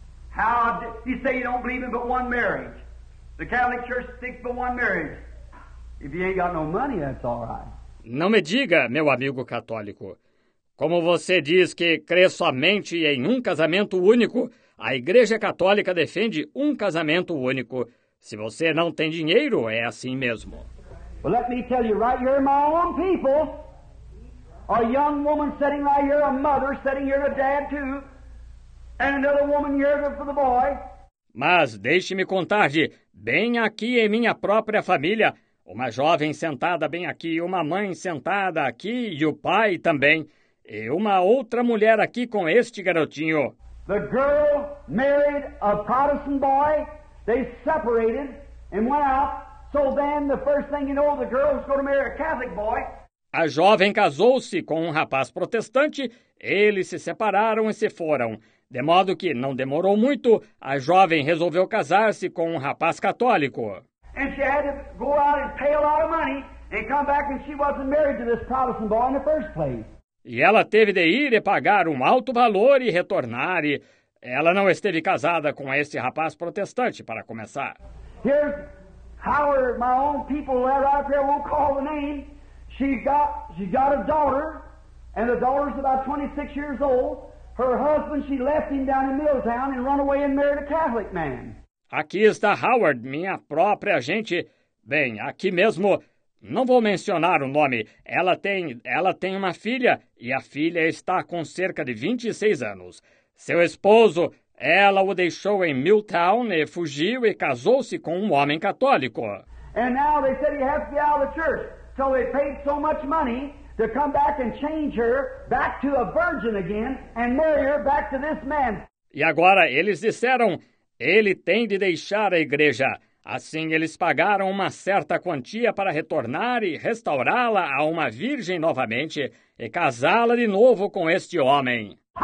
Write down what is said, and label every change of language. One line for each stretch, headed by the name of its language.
English: How you say you don't believe in but one marriage? The Catholic Church sticks but one marriage. If you ain't got no money, that's all right.
Portuguese: Não me diga, meu amigo católico, como você diz que crê somente em um casamento único, a Igreja Católica defende um casamento único. Se você não tem dinheiro, é assim mesmo.
English: Well, let me tell you right here, my own people, a young woman sitting right here, a mother sitting here, a dad too, and another woman here for the boy.
Portuguese: Mas deixe-me contar-lhe, bem aqui em minha própria família, uma jovem sentada bem aqui, uma mãe sentada aqui e o pai também, e uma outra mulher aqui com este garotinho.
English: The girl married a Protestant boy, they separated and went out, so then the first thing you know, the girl's going to marry a Catholic boy.
Portuguese: A jovem casou-se com um rapaz protestante, eles se separaram e se foram. De modo que, não demorou muito, a jovem resolveu casar-se com um rapaz católico. E ela teve que ir lá e pagar muito dinheiro.
English: E come back and she wasn't married to this Protestant boy in the first place.
Portuguese: E ela teve de ir e pagar um alto valor e retornar. E ela não esteve casada com esse rapaz protestante para começar.
English: Here's Howard, my own people right out there won't call the name. She got a daughter, and the daughter's about 26 years old. Her husband, she left him down in Milltown and run away and married a Catholic man.
Portuguese: Aqui está Howard, minha própria gente. Bem, aqui mesmo. Não vou mencionar o nome. Ela tem uma filha e a filha está com cerca de 26 anos. Seu esposo, ela o deixou em Milltown e fugiu e casou-se com um homem católico.
English: And now they said he has to be out of the church. So they paid so much money to come back and change her back to a virgin again and marry her back to this man.
Portuguese: E agora eles disseram, ele tem de deixar a igreja. Assim, eles pagaram uma certa quantia para retornar e restaurá-la a uma virgem novamente e casá-la de novo com este homem.